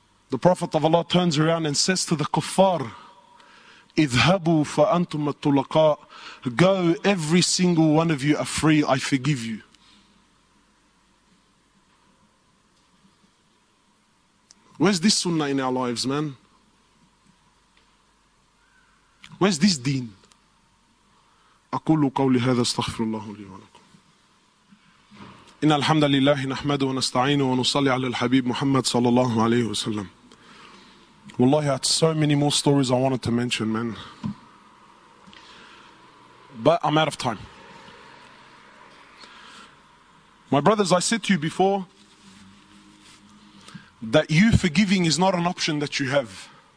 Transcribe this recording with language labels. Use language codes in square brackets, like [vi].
[en] The Prophet of Allah turns around and says to the kuffar, [ar] اذهبوا فأنتم الطلقاء. [en] Go, every single one of you are free, I forgive you. Where's this sunnah in our lives, man? Where's this deen? [ar] أقول قولي هذا استغفر الله لي ولكم. إن الحمد لله نحمده ونستعينه ونصلي على الحبيب محمد صلى الله عليه وسلم. [en] والله I had so many more stories I wanted to mention, man. But I'm out of time. My brothers, I said to you before, that you forgiving is not an option that you have.